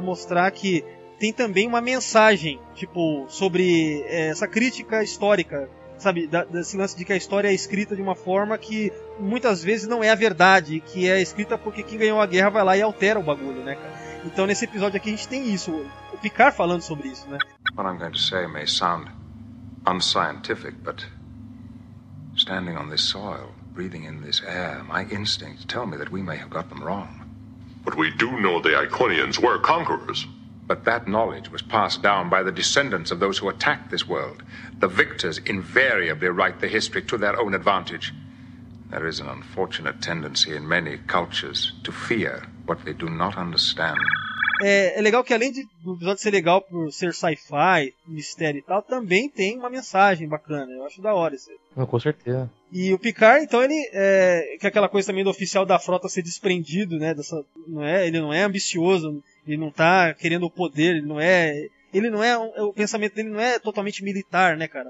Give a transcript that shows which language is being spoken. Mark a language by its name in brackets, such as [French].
[Portuguese] Mostrar que tem também uma mensagem, tipo, sobre essa crítica histórica, sabe, desse lance de que a história é escrita de uma forma que muitas vezes não é a verdade, que é escrita porque quem ganhou a guerra vai lá e altera o bagulho, né, cara? Então nesse episódio aqui a gente tem isso, o Picard falando sobre isso, né? [English] What I'm going to say may sound unscientific, but standing on this soil, breathing in this air, my instincts tell me that we may have got them wrong. But we do know the Iconians were conquerors. But that knowledge was passed down by the descendants of those who attacked this world. The victors invariably write the history to their own advantage. There is an unfortunate tendency in many cultures to fear what they do not understand. [Portuguese] É legal que além do episódio ser legal por ser sci-fi, mistério e tal, também tem uma mensagem bacana. Eu acho da hora isso. Não, com certeza. E o Picard, então, ele que é aquela coisa também do oficial da frota ser desprendido, né? Ele não é ambicioso. Ele não tá querendo o poder, o pensamento dele não é totalmente militar, né, cara?